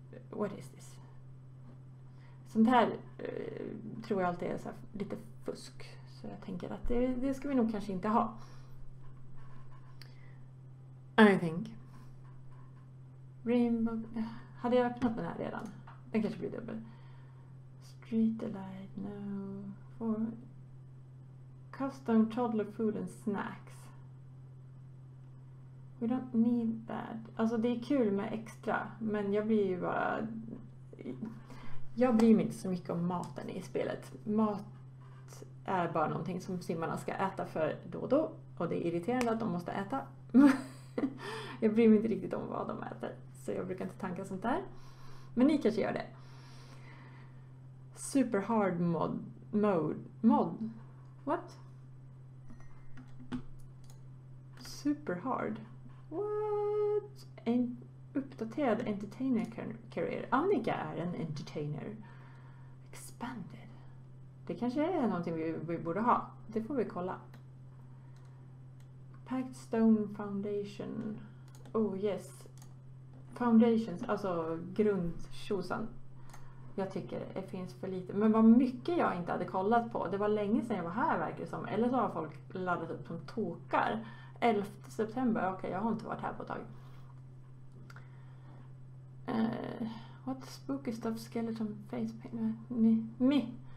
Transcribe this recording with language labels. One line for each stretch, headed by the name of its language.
English: What is this?
Swedish: Sånt här tror jag alltid är så här, lite fusk. Så jag tänker att det ska vi nog kanske inte ha.
English: I think. Rainbow.
Swedish: Hade jag öppnat den här redan? Den kanske blir dubbel.
English: Street delight, no. For custom toddler food and snacks. We don't need that.
Swedish: Alltså det är kul med extra, men jag blir ju bara... Jag bryr mig inte så mycket om maten i spelet. Mat är bara någonting som simmarna ska äta för då och då. Och det är irriterande att de måste äta. Jag bryr mig inte riktigt om vad de äter. Så jag brukar inte tanka sånt där. Men ni kanske gör det.
English: Super hard mod. Mod? What? Super hard. What?
Swedish: En uppdaterad entertainer career. Annika är en entertainer. Expanded. Det kanske är någonting vi borde ha. Det får vi kolla.
English: Packed stone foundation. Oh yes. Foundations,
Swedish: alltså grundtjosan. Jag tycker det finns för lite. Men vad mycket jag inte hade kollat på. Det var länge sedan jag var här, verkar det som. Eller så har folk laddat upp som tokar. 11 september, okej, jag har inte varit här på ett tag.
English: What spooky stuff, skeleton, face paint, me.